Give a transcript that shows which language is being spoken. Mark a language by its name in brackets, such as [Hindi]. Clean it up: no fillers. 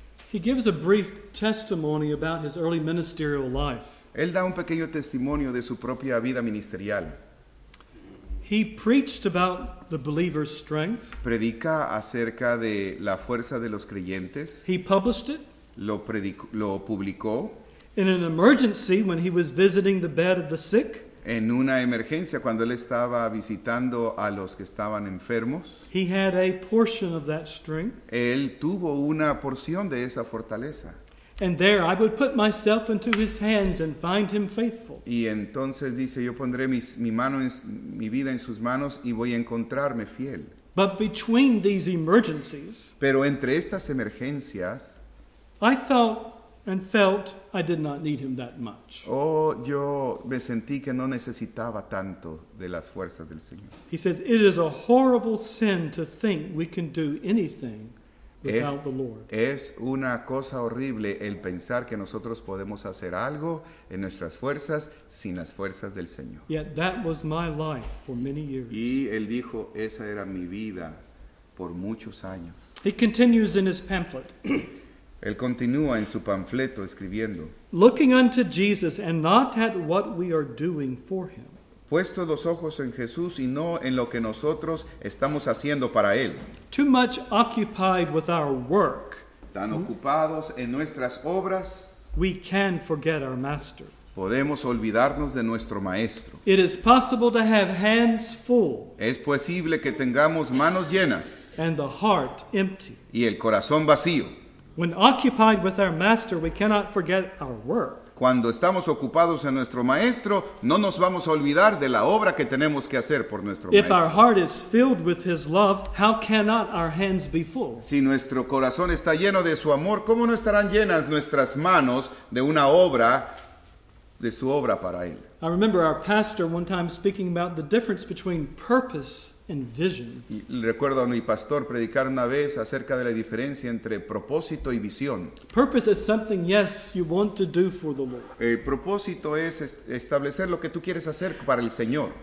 [English] He gives a brief testimony about his early ministerial life. [Spanish] Él da un pequeño testimonio de su propia vida ministerial. [English] He preached about the believer's strength. [Spanish] Predica acerca de la fuerza de los creyentes. [English] He published it. [Spanish] Lo publicó. [English] In an emergency, when he was visiting the bed of the sick. [Spanish] En una emergencia, cuando él estaba visitando a los que estaban enfermos. [English] He had a portion of that strength. [Spanish] Él tuvo una porción de esa fortaleza. [English] And there I would put myself into his hands and find him faithful. [Spanish] Y entonces dice, yo pondré mi vida en sus manos y voy a encontrarme fiel. [English] But between these emergencies, [Spanish] pero entre estas emergencias, [English] I thought and felt I did not need him that much. [Spanish] Oh, yo me sentí que no necesitaba tanto de las fuerzas del Señor. [English] He says, it is a horrible sin to think we can do anything without the Lord. [Spanish] Es una cosa horrible el pensar que nosotros podemos hacer algo en nuestras fuerzas sin las fuerzas del Señor. [English] Yet that was my life for many years. [Spanish] Y él dijo, esa era mi vida por muchos años. [English] He continues in his pamphlet. [Spanish] Él continúa en su panfleto escribiendo. [English] Looking unto Jesus and not at what we are doing for him. [Spanish] Puesto los ojos en Jesús y no en lo que nosotros estamos haciendo para Él. [English] Too much occupied with our work, [Spanish] tan ocupados en nuestras obras, [English] we can forget our master. [Spanish] Podemos olvidarnos de nuestro maestro. [English] It is possible to have hands full, [Spanish] es posible que tengamos manos llenas, [English] and the heart empty. [Spanish] Y el corazón vacío. [English] When occupied with our master, we cannot forget our work. [Spanish] Cuando estamos ocupados en nuestro maestro, no nos vamos a olvidar de la obra que tenemos que hacer por nuestro maestro. [English] If our heart is filled with his love, how cannot our hands be full? [Spanish] Si nuestro corazón está lleno de su amor, ¿cómo no estarán llenas nuestras manos de una obra, de su obra para él? [English] I remember our pastor one time speaking about the difference between purpose and vision. [Spanish] Recuerdo a mi pastor predicar una vez acerca de la diferencia entre propósito y visión. [English] Purpose is something, yes, you want to do for the Lord. [Spanish] El propósito es establecer lo que tú quieres hacer para el Señor.